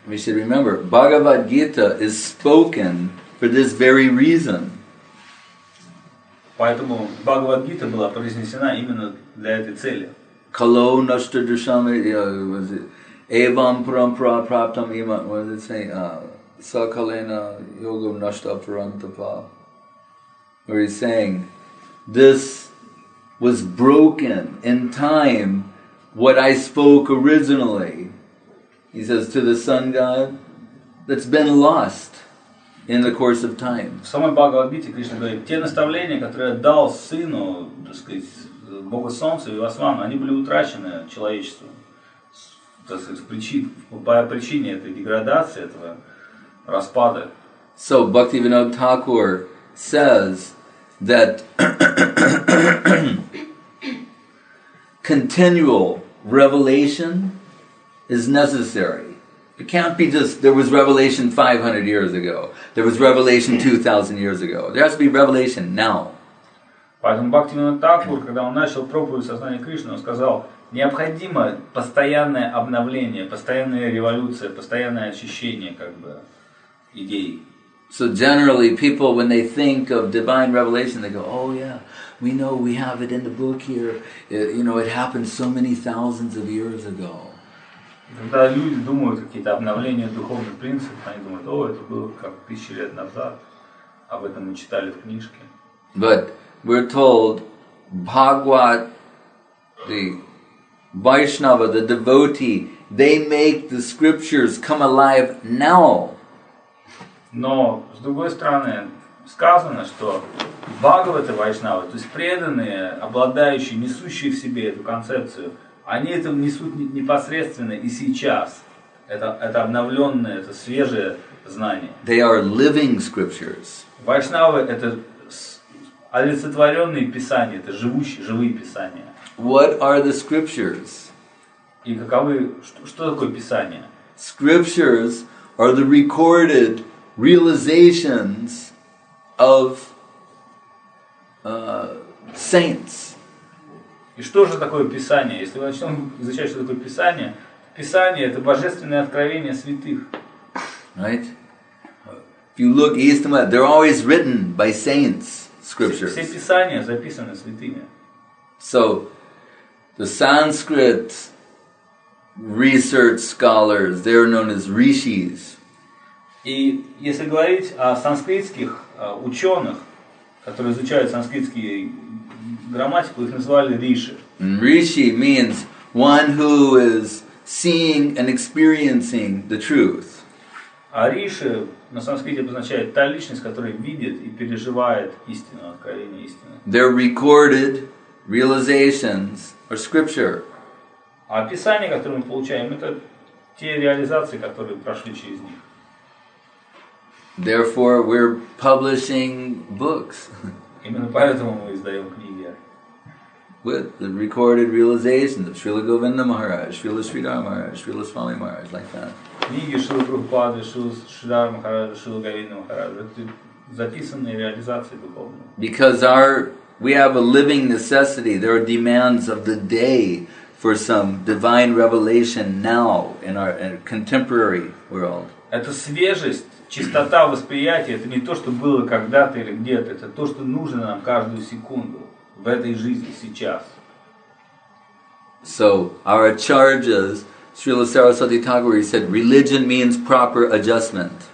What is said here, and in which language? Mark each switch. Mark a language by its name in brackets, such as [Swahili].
[English] We should remember, Bhagavad Gita is spoken for this very reason. [Russian] Поэтому Бхагавад Гита была произнесена именно для этой цели. [Sanskrit] Kalo nashta dushami, was it evam parampara praptam ima, [English] what does it say? [Sanskrit] Sakalena yogam nashta parantapa. [English] Where he's saying, this was broken in time, what I spoke originally. He says to the sun god, that's been lost in the course of time. [Russian] В самой Бхагавад-гите Кришна говорит, те наставления, которые дал сыну, так сказать, Бога Солнца и Васвана, они были утрачены человечеством. Так сказать, по причине этой деградации, этого распада. [English] So Bhaktivinoda Thakur says that continual revelation is necessary. It can't be just, there was revelation 500 years ago, there was revelation 2000 years ago. There has to be revelation now. [Russian] Поэтому Бхактивинода Тхакур, когда он начал проповедь сознания Кришны, он сказал, необходимо постоянное обновление, постоянная революция, постоянное очищение, как бы, идей. [English] So generally, people, when they think of divine revelation, they go, oh yeah, we know we have it in the book here. It happened so many thousands of years ago. [Russian] Когда люди думают какие-то обновления духовных принципов, они думают, о, это было как тысячи лет назад, об этом мы читали в книжке. [English] But we're told Bhagwat, the Vaishnava, the devotee, they make the scriptures come alive now. [Russian] Но с другой стороны сказано, что Бхагаваты Вайшнавы, то есть преданные, обладающие, несущие в себе эту концепцию, они это несут непосредственно и сейчас. Это обновленное, это свежее знание. [English] They are living scriptures. [Russian] Вайшнавы это олицетворенные писания, это живущие, живые писания. [English] What are the scriptures? [Russian] И каковы, что такое писание? [English] Scriptures are the recorded realizations of saints. [Russian] И что же такое писание? Если мы начнем изучать, что такое писание, писание это божественное откровение святых. [English] Right? If you look east and west, they're always written by saints. Scriptures. [Russian] Все писания записаны святыми. [English] So, the Sanskrit research scholars, they are known as rishis. [Russian] И если говорить о санскритских ученых, которые изучают санскритские грамматику, их называли риши. [English] Риши means one who is seeing and experiencing the truth. [Russian] А риши на санскрите обозначает та личность, которая видит и переживает истину, откровение истины. [English] Their recorded realizations or scripture. [Russian] А описание, которое мы получаем, это те реализации, которые прошли через них. [English] Therefore, we're publishing books. [Russian] Именно поэтому мы издаем книги. [English] With the recorded realizations of Srila Govinda Maharaj, Srila Sridhar Maharaj, Srila Swami Maharaj, like that. [Russian] Книги Шрилы Прабхупады, Шридхара Махараджа, Шрилы Говинда Махараджа. Это записанные реализации духовные. [English] Because our we have a living necessity. There are demands of the day for some divine revelation now in our contemporary world. [Russian] Это свежесть, чистота восприятия. Это не то, что было когда-то или где-то. Это то, что нужно нам каждую секунду в этой жизни сейчас. [English] So our charges, Srila Saraswati Thakur said, religion means proper adjustment.